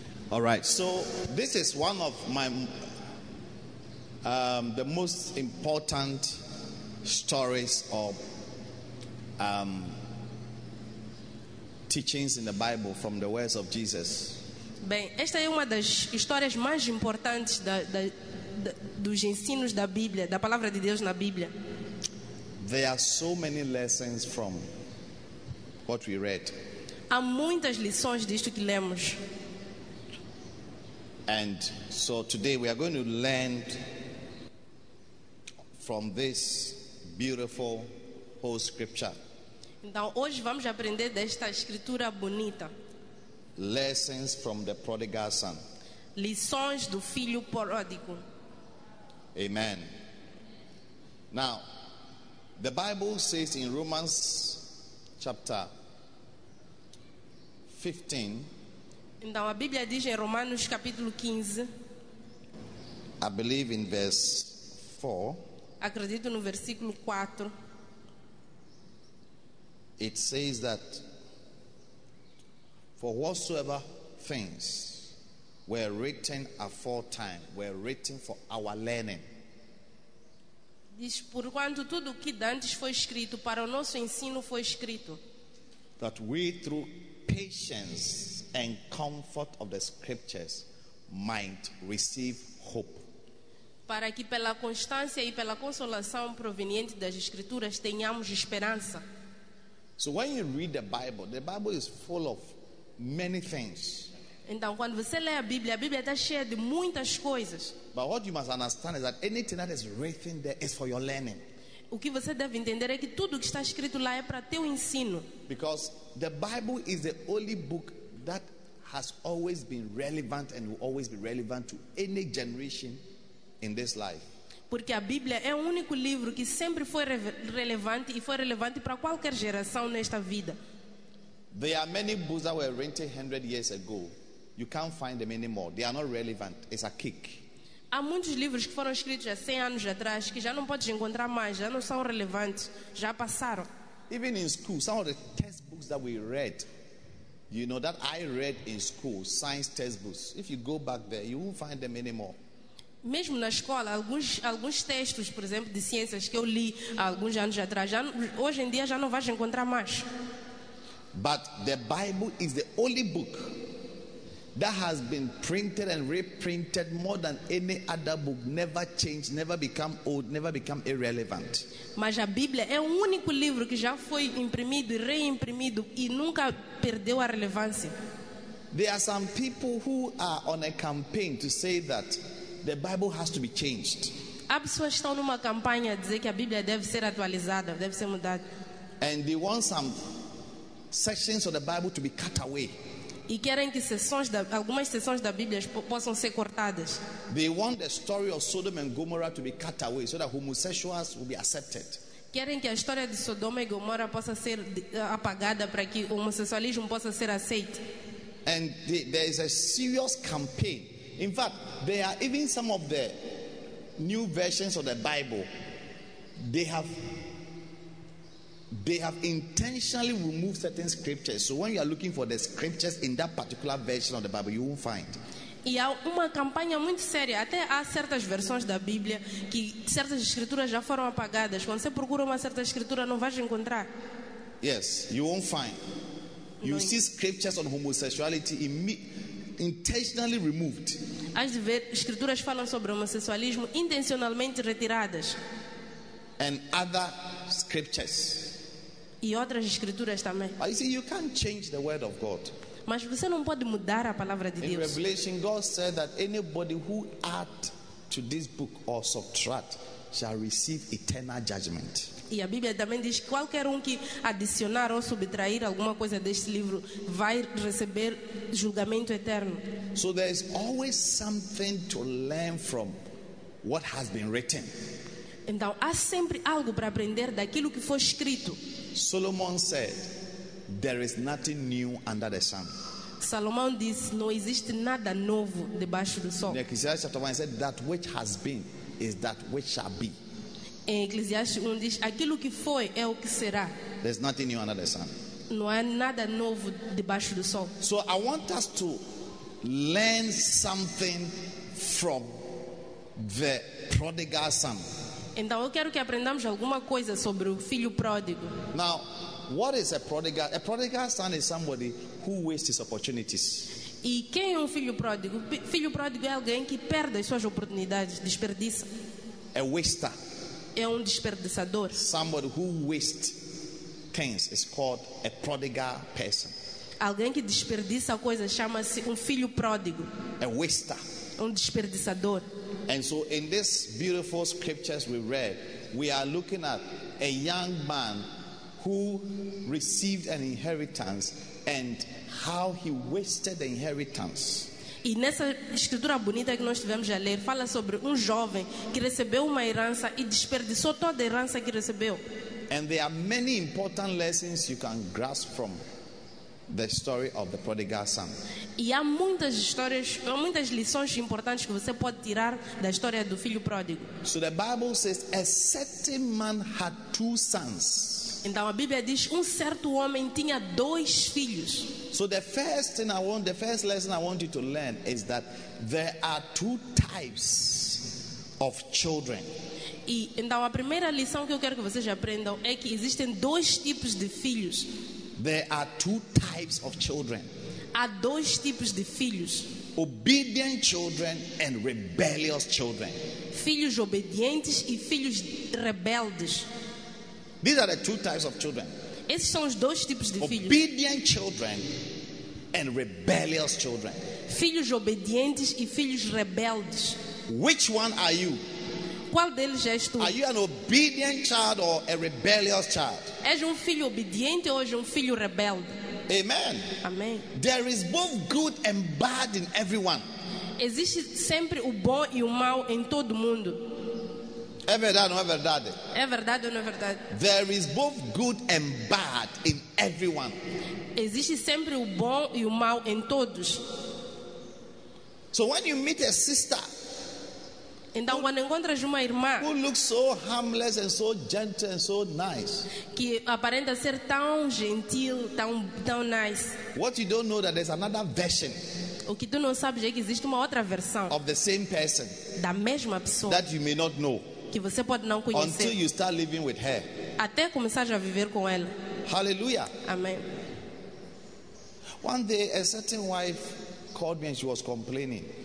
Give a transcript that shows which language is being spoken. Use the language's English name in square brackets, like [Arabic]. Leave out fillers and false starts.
[English] All right, so this is one of my the most important stories or teachings in the Bible from the words of Jesus. [Portuguese] Bem, esta é uma das histórias mais importantes dos ensinos da Bíblia, da palavra de Deus na Bíblia. [English] There are so many lessons from what we read. [Portuguese] Há muitas lições disto que lemos. [English] And so today we are going to learn from this beautiful whole scripture. [Portuguese] Então hoje vamos aprender desta escritura bonita. [English] Lessons from the prodigal son. [Portuguese] Lições do filho pródigo. [English] Amen. Now, the Bible says in Romans chapter 15. [Portuguese] Então a Bíblia diz em Romanos capítulo 15. [English] I believe in verse 4. [Portuguese] Acredito no versículo 4. [English] It says that for whatsoever things were written aforetime were written for our learning. [Portuguese] Diz, porquanto tudo o que dantes foi escrito para o nosso ensino foi escrito. [English] That we through patience and comfort of the scriptures might receive hope. [Portuguese] Para que pela constância e pela consolação proveniente das escrituras tenhamos esperança. [English] So when you read the Bible is full of many things. [Portuguese] Então, quando você lê a Bíblia está cheia de muitas coisas. [English] But what you must understand is that anything that is written there is for your learning. [Portuguese] O que você deve entender é que tudo que está escrito lá é para teu ensino. [English] Because the Bible is the only book that has always been relevant and will always be relevant to any generation in this life. [Portuguese] Porque a Bíblia é o único livro que sempre foi relevante e foi relevante para qualquer geração nesta vida. [English] There are many books that were written 100 years ago. You can't find them anymore. They are not relevant. It's a kick. [Portuguese] Há muitos livros que foram escritos há 100 anos atrás que já não podes encontrar mais, já não são relevantes, já passaram. [English] Even in school, some of the textbooks that we read, you know, that I read in school, science textbooks, if you go back there, you won't find them anymore. [Portuguese] Mesmo na escola, alguns textos, por exemplo, de ciências que eu li há alguns anos atrás, já, hoje em dia já não vais encontrar mais. [English] But the Bible is the only book that has been printed and reprinted more than any other book, never changed, never become old, never become irrelevant. [Portuguese] Mas a Bíblia é o único livro que já foi imprimido e reimprimido e nunca perdeu a relevância. [English] There are some people who are on a campaign to say that the Bible has to be changed. [Portuguese] Há pessoas que estão numa campanha a dizer que a Bíblia deve ser atualizada, deve ser mudada. [English] And they want some sections of the Bible to be cut away. [Portuguese] E querem que algumas seções da Bíblia possam ser cortadas. [English] They want the story of Sodom and Gomorrah to be cut away so that homosexuals will be accepted. [Portuguese] Querem que a história de Sodoma e Gomorra possa ser apagada para que o homossexualismo possa ser aceito. [English] And there is a serious campaign. In fact, there are even some of the new versions of the Bible. They have intentionally removed certain scriptures. So when you are looking for the scriptures in that particular version of the Bible, you won't find. [Portuguese] E há uma campanha muito séria. Até há certas versões da Bíblia que certas escrituras já foram apagadas. Quando você procura uma certa escritura, não vais encontrar. [English] Yes, you won't find. You see scriptures on homosexuality intentionally removed. [Portuguese] As escrituras falam sobre homossexualismo intencionalmente retiradas. [English] And other scriptures. [Portuguese] E outras escrituras também. [English] But you see, you can't change the word of God. [Portuguese] Mas você não pode mudar a palavra de [English] In [Portuguese] Deus. [English] In Revelation, God said that anybody who add to this book or subtract shall receive eternal judgment. [Portuguese] E a Bíblia também diz que qualquer que adicionar ou subtrair alguma coisa deste livro vai receber julgamento eterno. [English] So there is always something to learn from what has been written. [Portuguese] Então há sempre algo para aprender daquilo que foi escrito. [English] Solomon said, "There is nothing new under the sun." [Portuguese] Salomão disse, não existe nada novo debaixo do sol. [English] In Ecclesiastes chapter 1, he said, "That which has been is that which shall be." [Portuguese] Em Eclesiastes 1 diz, aquilo que foi é o que será. [English] There's nothing new under the sun. [Portuguese] Não há nada novo debaixo do sol. [English] So I want us to learn something from the prodigal son. [Portuguese] Então eu quero que aprendamos alguma coisa sobre o filho pródigo. [English] Now, what is a prodigal? A prodigal son is somebody who wastes his opportunities. [Portuguese] E quem é filho pródigo? Filho pródigo é alguém que perde as suas oportunidades, desperdiça. [English] A waster. [Portuguese] É desperdiçador. [English] Somebody who wastes things is called a prodigal person. [Portuguese] Alguém que desperdiça coisas chama-se filho pródigo. [English] A waster. [Portuguese] Desperdiçador. [English] And so in this beautiful scriptures we read, we are looking at a young man who received an inheritance and how he wasted the inheritance. [Portuguese] E nessa escritura bonita que nós tivemos a ler, fala sobre jovem que recebeu uma herança e desperdiçou toda a herança que recebeu. [English] And there are many important lessons you can grasp from the story of the prodigal son. [Portuguese] E há muitas histórias, há muitas lições importantes que você pode tirar da história do filho pródigo. [English] So the Bible says a certain man had two sons. [Portuguese] Então a Bíblia diz certo homem tinha dois filhos. [English] So the first lesson I want you to learn is that there are two types of children. [Portuguese] E então a primeira lição que eu quero que vocês aprendam é que existem dois tipos de filhos. [English] There are two types of children. [Portuguese] Há dois tipos de filhos. [English] Obedient children and rebellious children. [Portuguese] Filhos obedientes e filhos rebeldes. [English] These are the two types of children. [Portuguese] Esses são os dois tipos de filhos. [English] Obedient children and rebellious children. [Portuguese] Filhos obedientes e filhos rebeldes. [English] Which one are you? [Portuguese] Qual deles és tu? [English] Are you an obedient child or a rebellious child? [Portuguese] És filho obediente ou és filho rebelde? [English] Amen. [Portuguese] Amém. [English] There is both good and bad in everyone. [Portuguese] Existe sempre o bom e o mal em todo mundo. É verdade ou não é verdade? É verdade ou não é verdade? [English] There is both good and bad in everyone. [Portuguese] Existe sempre o bom e o mal em todos. [English] So when you meet a sister, [Portuguese] então, quando encontras uma irmã, [English] who looks so harmless and so gentle and so nice, [Portuguese] que aparenta ser tão gentil, tão nice, [English] what you don't know that there's another version. [Portuguese] O que tu não sabes é que existe uma outra versão [English] of the same person, [Portuguese] da mesma pessoa, [English] that you may not know, [Portuguese] que você pode não conhecer, [English] until you start living with her, [Portuguese] até começar a viver com ela. [English] Hallelujah. [Portuguese] Amém. [English] One day, a certain wife called me and she was complaining.